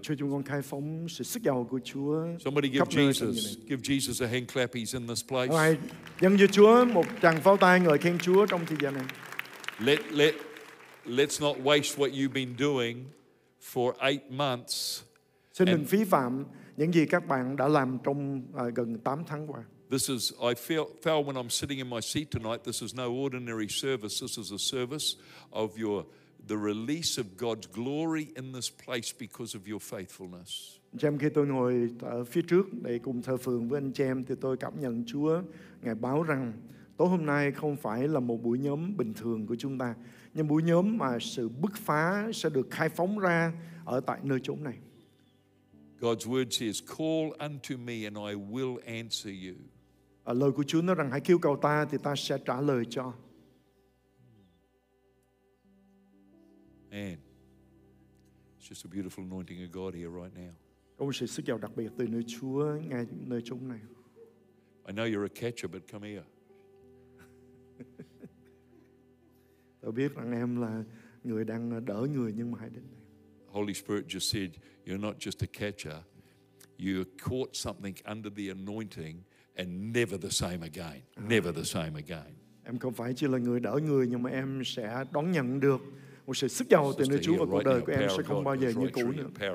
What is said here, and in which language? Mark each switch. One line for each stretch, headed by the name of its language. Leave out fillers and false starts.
Vietnamese: Chúa, chúng con khai phóng sự sức giàu của Chúa.
English: Somebody give Jesus a hand clap. He's in this place.
Vietnamese: Rồi, dâng cho Chúa một tràng pháo tay ngợi khen Chúa trong thời gian này.
English: Let's not waste what you've been doing for 8 months.
Vietnamese: Xin đừng phí phạm những gì các bạn đã làm trong gần 8 tháng qua.
English: This is, I feel when I'm sitting in my seat tonight, this is no ordinary service. This is a service of your the release of God's glory in this place because of your faithfulness.
Vietnamese: Chém khi tôi ngồi ở phía trước để cùng thờ phượng với anh chị em thì tôi cảm nhận Chúa ngài báo rằng tối hôm nay không phải là một buổi nhóm bình thường của chúng ta, nhưng buổi nhóm mà sự bứt phá sẽ được khai phóng ra ở tại nơi chốn này.
English: God's word says, "Call unto me and I will answer you."
Vietnamese: Lời của Chúa nói rằng hãy kêu cầu ta thì ta sẽ trả lời cho.
English: Man, it's just a beautiful anointing of God here right now.
Vietnamese: Ôi sự sức giàu đặc biệt từ nơi Chúa ngay nơi chỗ này.
English: I know you're a catcher, but come here.
Vietnamese: Tôi biết rằng em là người đang đỡ người nhưng mà hãy đến đây.
English: Holy Spirit just said you're not just a catcher. You caught something under the anointing and never the same again. Never the same again.
Vietnamese: Em không phải chỉ là người đỡ người nhưng mà em sẽ đón nhận được một sự sức giàu từ nơi Chúa và cuộc đời của em sẽ không bao giờ như cũ nữa.